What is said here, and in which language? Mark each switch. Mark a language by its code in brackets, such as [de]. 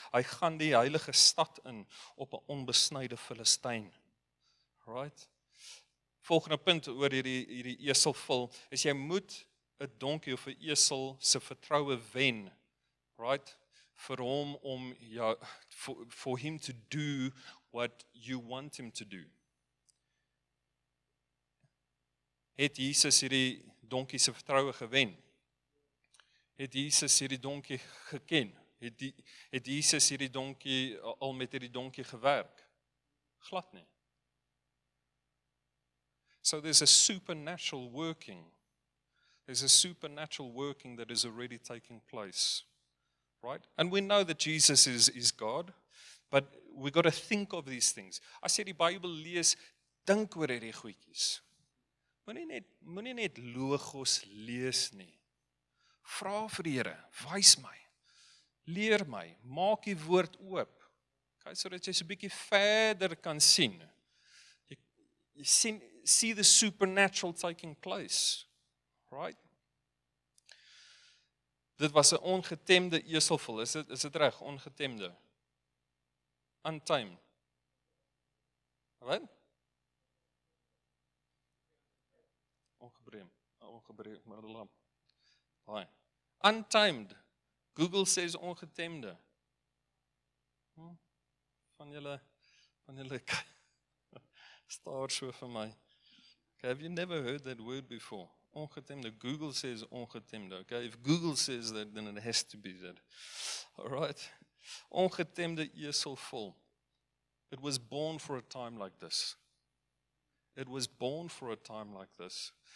[af] Hy gaan die heilige stad in op 'n onbesnyde Filistyn. Right? Volgende punt oor hierdie eselvul, is jy moet 'n donkie of 'n esel se vertroue wen. [en] Right? [af] Vir hom om ja [en] for him to do what you want him to do. [af] Het Jesus hierdie donkie se vertroue gewen? Het Jesus hierdie donkie geken? Het Jesus hierdie donkie al met hierdie donkie gewerk? Glad nie. [en] So there's a supernatural working. There's a supernatural working that is already taking place. Right? And we know that Jesus is God, but we got to think of these things. [af] As jy die Bybel lees, dink oor hierdie goedjies. Moenie net logos lees nie. Vra vir die Here, wys my. Leer my, maak die woord oop. Okay, sodat jy so 'n bietjie verder kan sien. Jy sien [en] see the supernatural taking place. Right? [af] Dit was 'n ongetemde eselvul. Is dit reg? Ongetemde. Untamed. Wat? Ongebreem, maar die lam. Hi. Untamed. [en] Google says ongetemde. [af] Van julle staar so vir my. [en] Okay, have you never heard that word before? Ongetemde. Google says ongetemde. Okay, if Google says that, then it has to be that. Alright. Ongetemde eselvul. It was born for a time like this. It was born for a time like this.